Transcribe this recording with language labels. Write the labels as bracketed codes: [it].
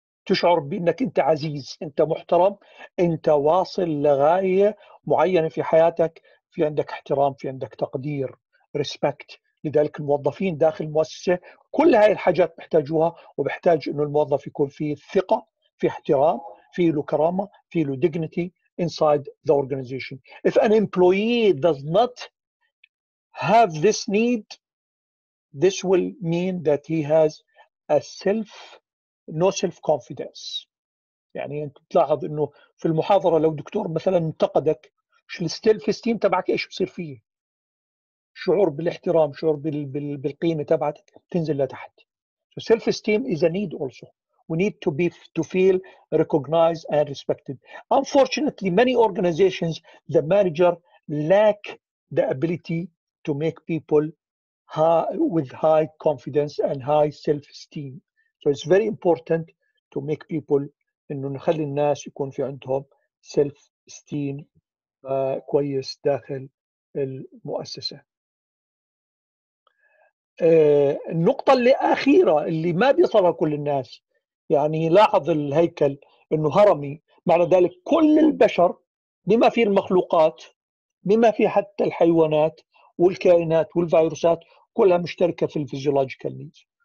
[ar] تشعر بأنك أنت عزيز. أنت محترم. أنت واصل لغاية معينة في حياتك. في عندك احترام. في عندك تقدير. respect. لذلك الموظفين داخل المؤسسة كل هاي الحاجات بحتاجوها. وبحتاج أنه الموظف يكون فيه ثقة. فيه احترام. فيه له كرامة. فيه له dignity. [en] Inside the organization. If an employee does not have this need, this will mean that he has a self, no self-confidence. [ar] يعني أنت تلاحظ أنه في المحاضرة لو دكتور مثلاً انتقدك شو self-esteem تبعك إيش بصير فيه؟ شعور بالاحترام، شعور بالقيمة تبعتك تنزل لتحت. [en] So self-esteem is a need also. We need to be to feel recognized and respected. Unfortunately, many organizations, the manager lack the ability to make people with high confidence and high self-esteem. So it's very important to make people [ar] إنه نخلي الناس يكون في عندهم self-esteem كويس داخل المؤسسة. النقطة الأخيرة اللي ما بيصلها كل الناس. يعني لاحظ الهيكل انه هرمي معنى ذلك كل البشر بما في المخلوقات بما في حتى الحيوانات والكائنات والفيروسات كلها مشتركه في الفيزيولوجيكال نيدز